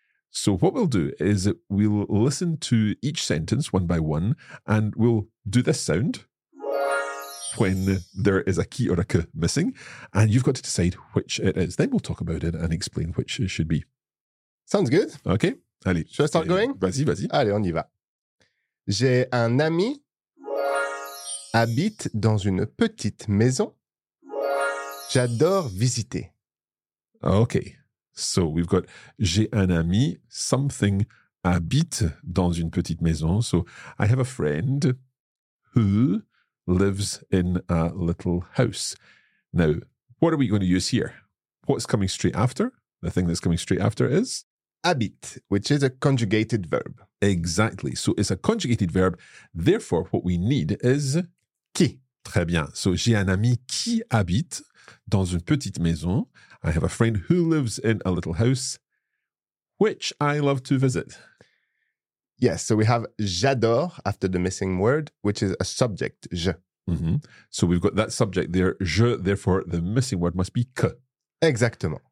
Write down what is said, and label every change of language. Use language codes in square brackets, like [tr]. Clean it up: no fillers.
[en] So what we'll do is we'll listen to each sentence one by one and we'll do this sound when there is a qui or a que missing and you've got to decide which it is. Then we'll talk about it and explain which it should be. Sounds good. [fr] Okay. Allez. [en] Should I start going? [fr] Vas-y, vas-y. Allez, on y va. J'ai un ami habite dans une petite maison. J'adore visiter. [en] Okay. So we've got, [fr] j'ai un ami, [en] something [fr] habite dans une petite maison. [en] So I have a friend who lives in a little house. Now, what are we going to use here? What's coming straight after? The thing that's coming straight after is? Habite, which is a conjugated verb. Exactly. So it's a conjugated verb. Therefore, what we need is? [fr] Qui. Très bien. [en] So [fr] j'ai un ami qui habite dans une petite maison. [en] I have a friend who lives in a little house, which I love to visit. Yes, so we have j'adore after the missing word, which is a subject, je. Mm-hmm. So we've got that subject there, je, therefore the missing word must be que. [fr] Exactement.